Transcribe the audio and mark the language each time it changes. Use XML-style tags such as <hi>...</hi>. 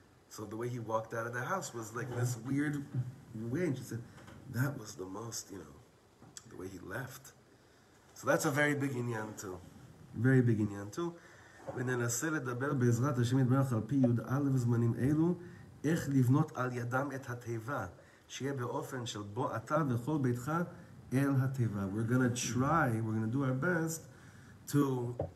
<en>So the way he walked out of the house was like this weird way. And she said, that was the most, you know, the way he left. So that's a very big inyan too. Very big inyan too.</en> <he>וננסה לדבר בעזרת השם יתברך על פי יוד א' זמנים אלו, איך לבנות על ידם את התיבה, שיהיה באופן של בו אתה וכל ביתך אל התיבה.</he> <en>We're going to try, we're going to do our best to</en>